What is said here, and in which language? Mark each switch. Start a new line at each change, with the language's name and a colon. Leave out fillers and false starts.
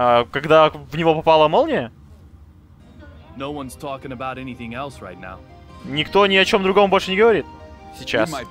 Russian: Когда в него попала молния?
English: No one's talking about anything else right now.
Russian: Никто ни о чем другом больше не говорит сейчас.